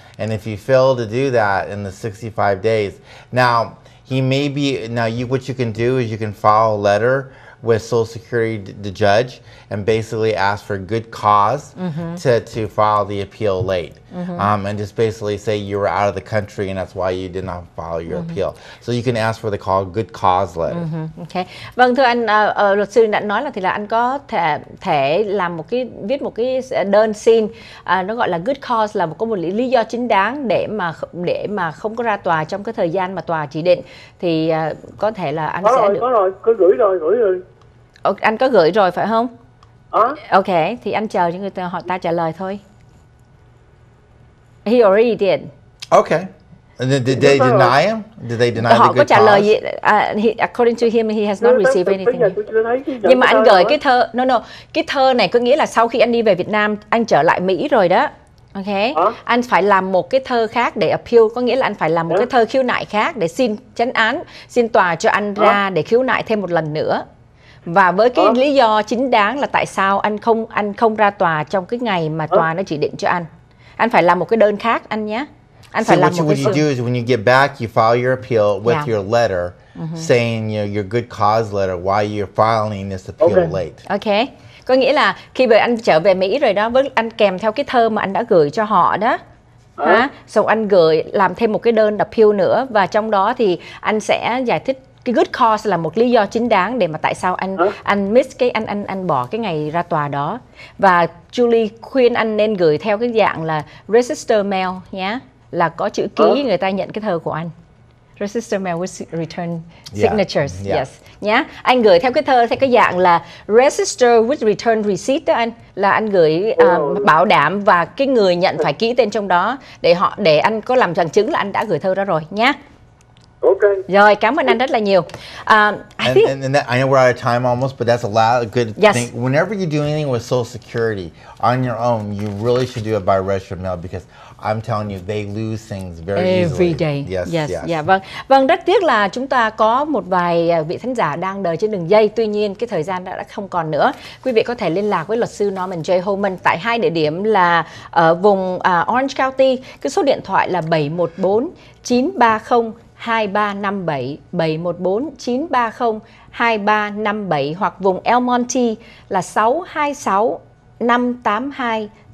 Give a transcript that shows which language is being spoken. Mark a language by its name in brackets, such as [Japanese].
[English] And if you fail to do that in the 65 days, now he may be, now you, what you can do is you can file a letter with Social Security, the judge, and basically ask for good cause mm-hmm. to file the appeal late. Mm-hmm. And just basically say you were out of the country and that's why you did not file your mm-hmm. appeal. So you can ask for the call good cause letter. Mm-hmm. Okay. [Vietnamese] Vâng, thưa anh, luật sư đã nói là thì là anh có thể làm một cái, viết một cái đơn xin, nó gọi là good cause, là có một lý do chính đáng để mà không có ra tòa trong cái thời gian mà tòa chỉ định. Thì có thể là anh có sẽ rồi, được. Có rồi, có rồi, gửi rồi. Anh có gửi rồi phải không? À? Okay, thì anh chờ cho người ta, họ ta trả lời thôi. [English] He already did. Okay. And then did they deny him? Did they deny [Vietnamese] họ [English] the good [Vietnamese] có trả [English] cause? [Vietnamese] Lời, [English] according to him, he has not received anything. [Vietnamese] Nhưng mà anh gửi cái thơ. [English] No. [Vietnamese] Cái thơ này có nghĩa là sau khi anh đi về Việt Nam, anh trở lại Mỹ rồi đó. [English] Okay. [Vietnamese] Anh phải làm một cái thơ khác để appeal. Có nghĩa là anh phải làm một cái thơ khiếu nại khác để xin chánh án, xin tòa cho anh ra để khiếu nại thêm một lần nữa. Và với cái lý do chính đáng là tại sao anh không ra tòa trong cái ngày mà tòa nó chỉ định cho anh. Anh phải làm một cái đơn khác anh nhé. Anh phải làm một cái. [English] What you do is when you get back, you file your appeal with your letter saying your good cause letter why you're filing this appeal late. Okay. [Vietnamese] Có nghĩa là khi về anh trở về Mỹ rồi đó, với anh kèm theo cái thơ mà anh đã gửi cho họ đó. Hả? Xong anh gửi làm thêm một cái đơn appeal nữa và trong đó thì anh sẽ giải thích cái good cause là một lý do chính đáng để mà tại sao anh bỏ cái ngày ra tòa đó. Và Julie khuyên anh nên gửi theo cái dạng là register mail nhé, là có chữ ký người ta nhận cái thơ của anh. [English] Register mail with return signatures. Yeah. Yes. Nhá. [Vietnamese] Anh gửi theo cái thơ theo cái dạng là register with return receipt đó anh, là anh gửi bảo đảm và cái người nhận phải ký tên trong đó để anh có làm bằng chứng là anh đã gửi thơ ra rồi nhé. [English] Okay. [Vietnamese] Rồi, cảm ơn anh rất là nhiều. [English] I know we're out of time almost, but that's a lot of good thing. Whenever you do anything with Social Security on your own, you really should do it by registered mail because I'm telling you, they lose things very every easily. Every day. Yes. [Vietnamese] Yeah, vâng. Vâng, rất tiếc là chúng ta có một vài vị khán giả đang đợi trên đường dây. Tuy nhiên, cái thời gian đã không còn nữa. Quý vị có thể liên lạc với luật sư Norman J. Homen tại hai địa điểm là ở vùng Orange County. Cái số điện thoại là 714-930-2357, 714-930-2357 hoặc vùng El Monte là 626-582-8260.